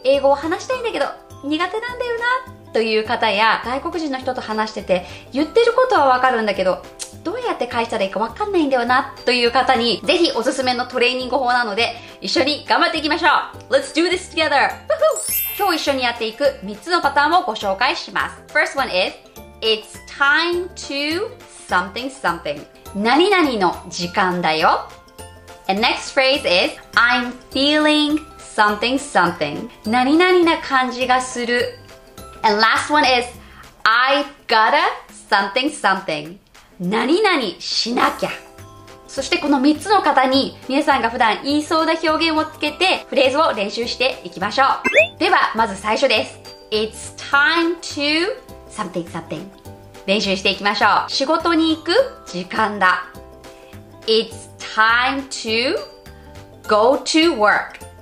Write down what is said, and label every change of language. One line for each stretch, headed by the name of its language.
Japanese: 英語を話したいんだけど、苦手なんだよな、という方や、外国人の人と話してて、言ってることはわかるんだけど、どうやって返したらいいかわかんないんだよな、という方に、ぜひおすすめのトレーニング法なので、一緒に頑張っていきましょう。
English: Let's do this together!
Japanese: 今日一緒にやっていく3つのパターンをご紹介します。
English: First one is, it's time to something something.
Japanese: 何々の時間だよ。
English: And next phrase is I'm feeling something something.
Japanese: 何々な感じがする。
English: And last one is I've gotta something something.
Japanese: 何々しなきゃ。そしてこの3つの方に皆さんが普段言いそうな表現をつけてフレーズを練習していきましょう。ではまず最初です。
English: It's time to something something.
Japanese: 練習していきましょう。仕事に行く時間だ。
English: It's time to go to work.